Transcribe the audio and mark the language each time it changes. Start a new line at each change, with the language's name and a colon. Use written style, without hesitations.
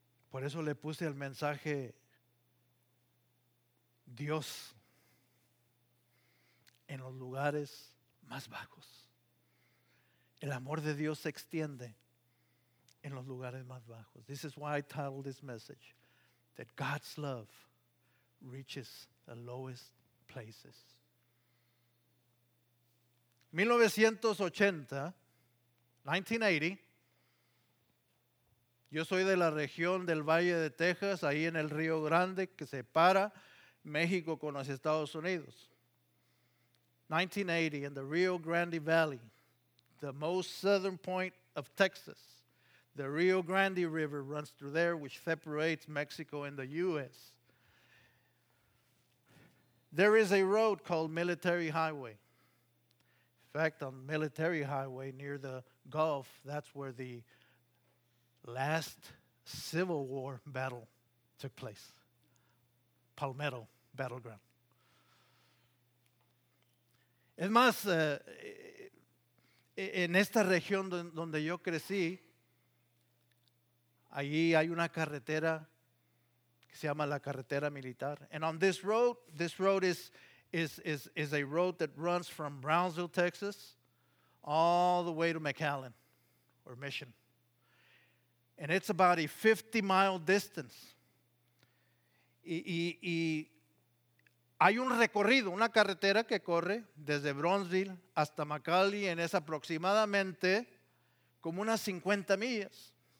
Spanish: Por eso le puse al mensaje Dios en los lugares más bajos. El amor de Dios se extiende en los lugares más bajos.
English: This is why I titled this message, that God's love reaches the lowest places.
Spanish: 1980, yo soy de la región del Valle de Texas, ahí en el Río Grande que separa México con los Estados Unidos.
English: 1980, in the Rio Grande Valley, the most southern point of Texas. The Rio Grande River runs through there, which separates Mexico and the U.S. There is a road called Military Highway. In fact, on Military Highway near the Gulf, that's where the last Civil War battle took place. Palmetto Battleground.
Spanish: Es más, en esta región donde yo crecí, allí hay una carretera que se llama la carretera militar.
English: And on this road is a road that runs from Brownsville, Texas, all the way to McAllen or Mission. And it's about a 50-mile distance.
Spanish: Y hay un recorrido, una carretera que corre desde Brownsville hasta McAllen, es aproximadamente como unas 50 millas.